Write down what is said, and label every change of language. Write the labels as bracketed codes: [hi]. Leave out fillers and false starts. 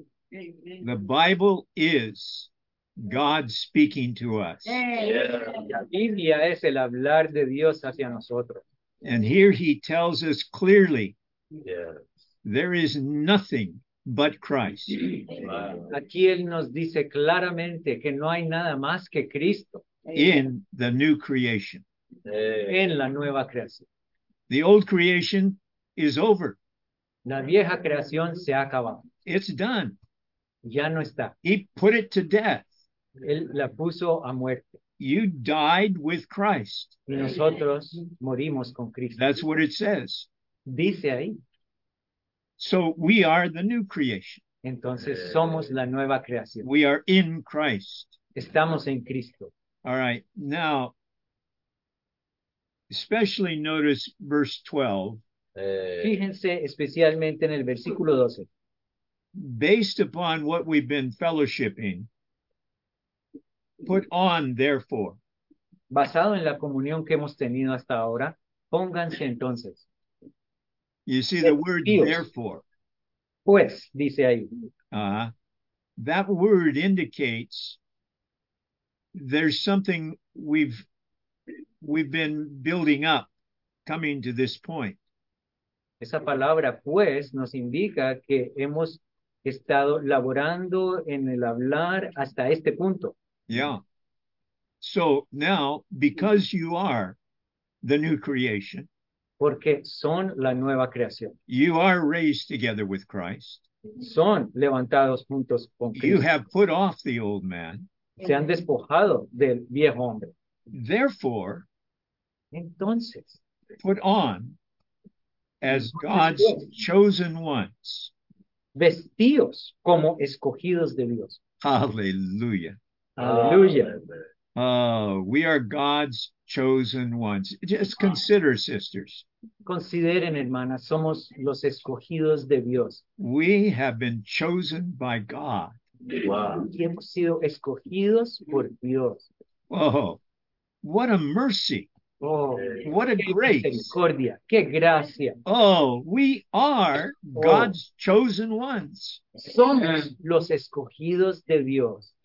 [en] The Bible is God speaking to us. [es] La Biblia es el hablar de Dios hacia nosotros. [en] And here he tells us clearly, there is nothing but Christ. [es] Aquí él nos dice claramente que no hay nada más que Cristo. [en] In the new creation. [es] En la nueva creación. [en] The old creation is over. [es] La vieja creación se ha acabado. [en] It's done. [es] Ya no está. [en] He put it to death. [es] Él la puso a muerte. [en] You died with Christ. [es] Y nosotros morimos con Cristo. [en] That's what it says. [es] Dice ahí. [en] So we are the new creation. [es] Entonces somos la nueva creación. [en] We are in Christ. [es] Estamos en Cristo. [en] All right. Now, especially notice verse 12. [es] Fíjense especialmente en el versículo 12. [en] Based upon what we've been fellowshipping, put on therefore. [es] Basado en la comunión que hemos tenido hasta ahora, pónganse entonces. [en] You see the word Dios. Therefore. [es] Pues, dice ahí. [en] That word indicates there's something we've been building up coming to this point. [es] Esa palabra pues nos indica que hemos estado laborando en el hablar hasta este punto. [en] Yeah. So now, because you are the new creation, [es] porque son la nueva creación. [en] You are raised together with Christ. [es] Son levantados juntos con Cristo. [en] You have put off the old man. [es] Se han despojado del viejo hombre. [en] Therefore, [es] entonces, [en] put on as God's chosen ones. [es] Vestidos como escogidos de Dios. [en] Hallelujah. Hallelujah. Oh, we are God's chosen ones. Just consider, sisters. [es] Consideren, hermanas, somos los escogidos de Dios. [en] We have been chosen by God. [es] Wow. Y hemos sido escogidos por Dios. [en] Oh, what a mercy. Oh, what a grace. [es] Misericordia. Qué gracia. [en] Oh, we are God's chosen ones. [es] Somos los escogidos de Dios.